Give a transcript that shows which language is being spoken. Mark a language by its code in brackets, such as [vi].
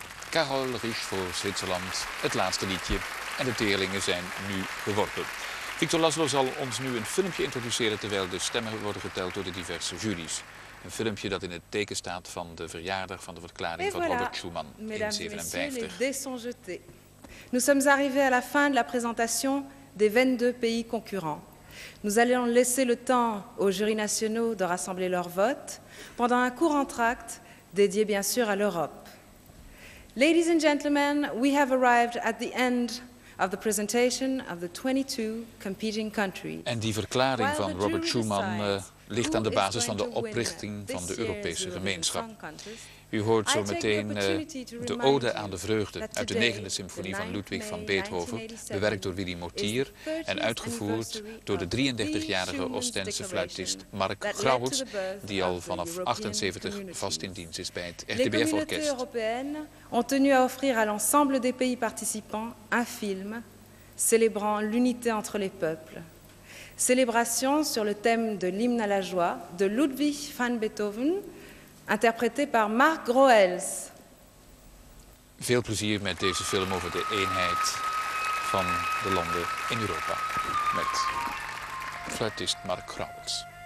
[nl] Carol Riche voor Zwitserland het laatste liedje. En de teerlingen zijn nu geworpen. Victor Laszlo zal ons nu een filmpje introduceren terwijl de stemmen worden geteld door de diverse juries. Een filmpje dat in het teken staat van de verjaardag van de verklaring van Robert Schuman in 57. [fr] Mesdames, messieurs, les dés sont jetés. Nous sommes arrivés à la fin de la présentation des 22 pays concurrents. Nous allons laisser le temps aux jurys nationaux de rassembler leur vote pendant un court entracte dédié bien sûr à l'Europe. [en] Ladies and gentlemen, we have arrived at the end of the presentation of the 22 competing countries. [nl] En die verklaring van Robert Schuman ligt aan de basis van de oprichting van de Europese gemeenschap. U hoort zo meteen de Ode aan de Vreugde uit de 9e symfonie van Ludwig van Beethoven, bewerkt door Willy Mortier en uitgevoerd door de 33-jarige Oostense fluitist Mark Grauwels, die al vanaf 78 vast in dienst is bij het RTBF-orkest. [fr] De Europese ont tenu à offrir à l'ensemble des pays participants un film célébrant l'unité entre les peuples. Célébration sur le thème de l'hymne à la joie de Ludwig van Beethoven, interprété par Mark Grauwels. [nl] Veel plezier met deze film over de eenheid van de landen in Europa met fluitist Mark Grauwels.